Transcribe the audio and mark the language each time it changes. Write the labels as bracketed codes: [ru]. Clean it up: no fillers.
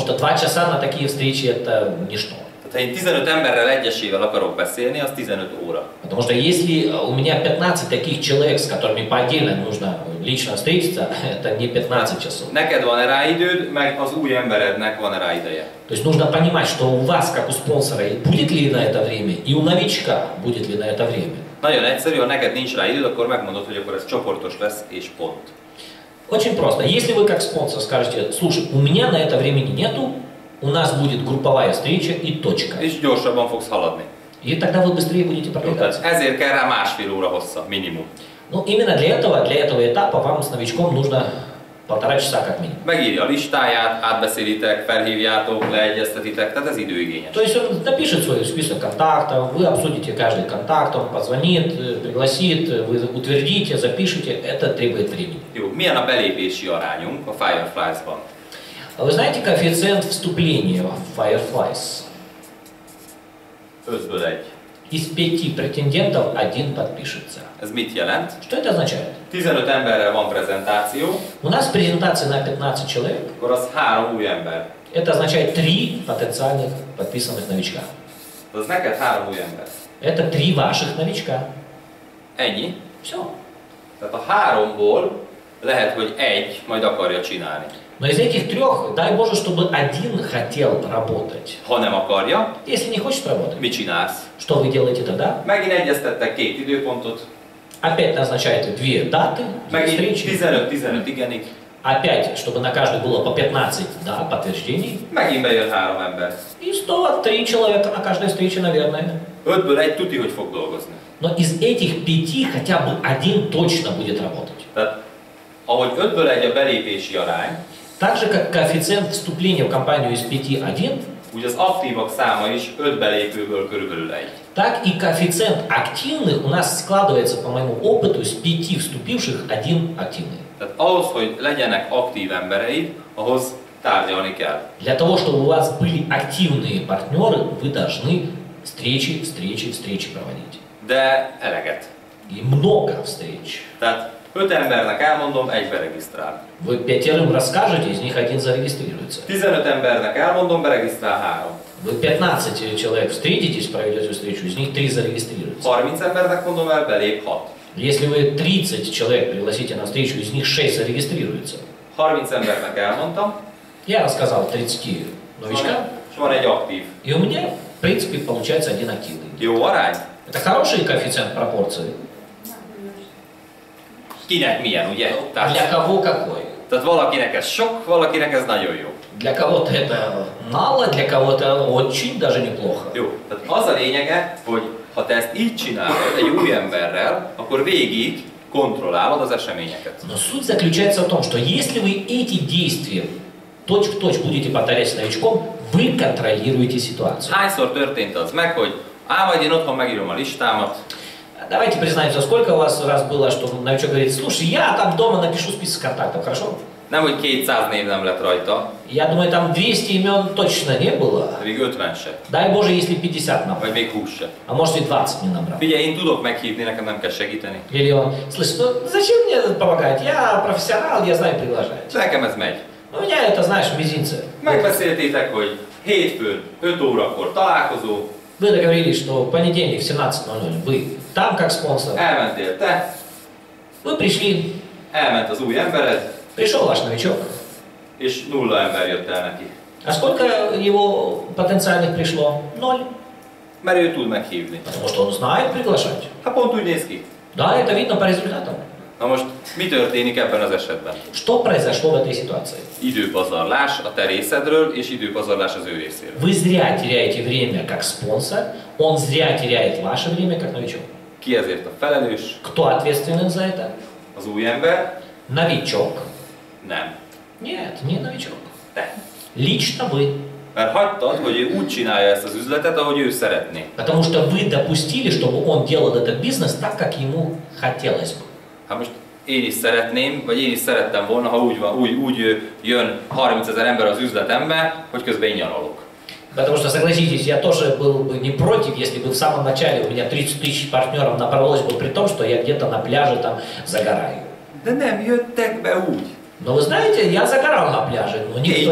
[ru] что 2 часа на такие встречи это ничто. [hu] Tehát ha én 15 emberrel egyesével akarok beszélni, az 15 óra. [ru] Потому что если у меня 15 таких человек, с которыми по отдельности нужно лично встретиться, это не 15 часов. [hu] Neked van rá időd, meg az új emberednek van rá ideje. [ru] То есть нужно понимать, что у вас как у спонсора будет ли на это время, и у новичка будет ли на это время. [hu] Nagyon egyszerű, ha neked nincs rá időd, akkor megmondod, hogy akkor ez csoportos lesz, és pont. [ru] Очень просто. Если вы как спонсор скажете, слушай, у меня на это времени нету, у нас будет групповая встреча и точка. [hu] És gyorsabban fogsz haladni. [ru] И тогда вы быстрее будете продвигаться. [hu] Ezért kell rá másfél óra hossza, minimum. [ru] Ну, именно для этого этапа вам с новичком нужно полтора часа как минимум. [hu] Megírja a listáját, átbeszélitek, felhívjátok, leegyeztetitek, tehát ez időigényes. [ru] То есть он напишет свой список контактов, вы обсудите каждый контакт, он позвонит, пригласит, вы утвердите, запишите, это требует времени. [hu] Jó, milyen a belépési arányunk a Fireflies-ban? [ru] А вы знаете коэффициент вступления в Fireflies? [hu] 5-1. [ru] Из 5 претендентов один подпишется. [hu] Ez mit jelent? [ru] Что это означает? [hu] 15 emberrel van prezentáció. [ru] У нас презентация на 15 человек. [hu] Akkor az 3 új ember. [ru] Это означает 3 потенциальных подписанных новичка. [hu] Az neked 3 új ember. [ru] Это 3 ваших новичка. [hu] Ennyi? [ru] Все. [hu] Tehát a 3-ból lehet, hogy 1 majd akarja csinálni. [ru] Но из этих 3, дай Боже, чтобы один хотел работать. [hu] Ha nem akarja. [ru] Если не хочет работать. [hu] Mit csinálsz? [ru] Что вы делаете тогда? [hu] Megint egyeztettek 2 időpontot. [ru] Опять назначает 2 даты, 2 встречи. [hu] 15-15, igen. [ru] Опять, чтобы на каждой было по 15, да, подтверждений. [hu] Megint bejön 3 ember. [ru] И 103 человека на каждой встрече, наверное. [hu] 5-ből 1 tuti, hogy fog dolgozni. [ru] Но из этих 5 хотя бы один точно будет работать. [hu] Tehát, ahogy 5-ből 1 a belépési arány, [ru] так же, как коэффициент вступления в компанию из 5-1, [hu] úgy az aktívak száma is 5 belépőből körülbelül 1. [ru] Так и коэффициент активных у нас складывается, по моему опыту, из 5 вступивших 1 активный. [hu] Tehát ahhoz, hogy legyenek aktív embereid, ahhoz tárgyalni kell. [ru] Для того, чтобы у вас были активные партнеры, вы должны встречи проводить. [hu] De eleget. [ru] И много встреч. [hu] Tehát 5 embernek elmondom, 1 beregisztrál. [ru] Вы пятерым расскажете, из них один зарегистрируется. [hu] 15 embernek elmondom, beregisztrál 3. [ru] Вы 15 человек встретитесь, проведете встречу, из них 3 зарегистрируются. [hu] 30 embernek mondom el, belép 6. [ru] Если вы 30 человек пригласите на встречу, из них 6 зарегистрируются. [hu] 30 embernek elmondom. [ru] Я рассказал 30 новичкам. Что он один актив. И у меня, в принципе, получается один активный. [hu] Jó arány. [ru] Это хороший коэффициент пропорции. [hu] Kinek milyen, ugye? [ru] Tehát, для кого какой? [hu] Tehát valakinek ez sok, valakinek ez nagyon jó. [ru] Для кого-то это мало, для кого-то очень даже неплохо. [hu] Jó, tehát az a lényege, hogy ha te ezt így csinálod egy új emberrel, akkor végig kontrollálod az eseményeket. [ru] Но суть заключается в том, что если вы эти действия точь-в-точь будете повторять с новичком, вы контролируете ситуацию. [hu] Hányszor történt az meg, hogy majd én otthon megírom a listámat. [ru] Давайте признаемся, сколько у вас раз было, что новичок говорит, слушай, я там дома напишу список контактов, хорошо? [hu] Nem, hogy 200 név nem lett rajta. [ru] Я думаю, там 200 имен точно не было. [hu] Még 50 se. [ru] Дай Боже, если 50 набрал. [hu] Vagy még 20 se. [ru] А может и 20 не набрал. [hu] Figyelj, én tudok meghívni, nekem nem kell segíteni. [ru] Или он, слышь, ну зачем мне это помогать? Я профессионал, я знаю приглашать. [hu] Nekem ez megy. [ru] У меня это, знаешь, в мизинце. [hu] Megbeszéltétek, hogy hétfőn, 5 órakor találkozó. [ru] Вы договорились, что в понедельник в 17:00 вы там как спонсор. [hu] Elmentél te. [ru] Вы пришли. [hu] Elment az új embered. [ru] Пришел ваш новичок. [hu] És nulla ember jött el neki. [ru] А сколько его потенциальных пришло? Ноль. [hu] Mert ő tud meghívni. [ru] Потому что он знает приглашать. [hu] Ha pont úgy néz ki. [ru] Да, это видно по результатам. [hu] Na most, mi történik ebben az esetben? [ru] Что произошло в этой ситуации? [hu] Időpazarlás a te részedről, és időpazarlás az ő részéről. [ru] Вы зря теряете время как спонсор, он зря теряет ваше время как новичок. [hu] Ki ezért a felelős? [ru] Кто ответственен за это? [hu] Az új ember? [ru] Новичок. [hu] Nem. [ru] Нет, не новичок. [hu] Te. [ru] Лично вы. [hu] Mert hagytad, hogy ő úgy csinálja ezt az üzletet, ahogy ő szeretné. [ru] Потому что вы допустили, чтобы он делал этот бизнес так, как ему хотелось бы. [hu] Hát most én is szeretném, vagy én is szerettem volna, ha úgy, úgy jön 30 000 ember az üzletembe, hogy közben én nyaralok. [ru] Потому что согласитесь, я тоже был бы не против, если бы в самом начале у меня 30 000 партнеров набралось бы, при том, что я где-то на пляже там загораю. [hu] De nem jöttek be úgy. [ru] Но вы знаете, я загорал на пляже, но никто не подписался.